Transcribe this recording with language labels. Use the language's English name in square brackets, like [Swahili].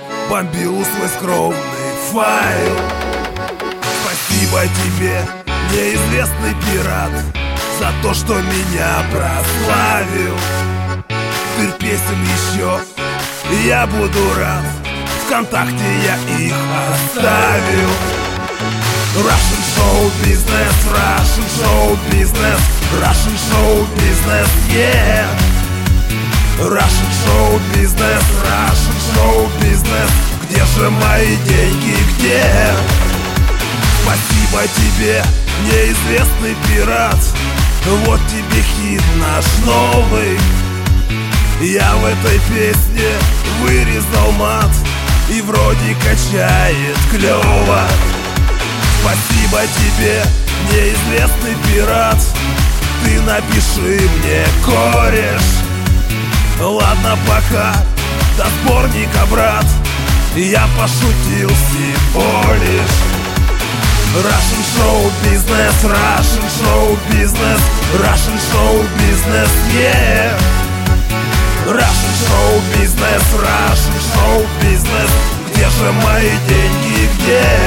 [Russian] Бомбил свой скромный файл. Спасибо тебе, неизвестный пират, за то, что меня прославил. Теперь песен еще я буду рад. Вконтакте я их оставил. [English] Russian show business, Russian show business, Russian show business, yeah. Russian show business, Russian show business, [Russian] где же мои деньги, где? Спасибо тебе, неизвестный пират, вот тебе хит наш новый. Я в этой песне вырезал мат, и вроде качает клёво. Спасибо тебе, неизвестный пират, ты напиши мне, кореш. Ладно, пока, до сборника, брат, я пошутил всего лишь. [English] Russian show business, Russian show business, Russian show business, yeah. Russian show business, Russian show business, [Russian] где же мои деньги, где?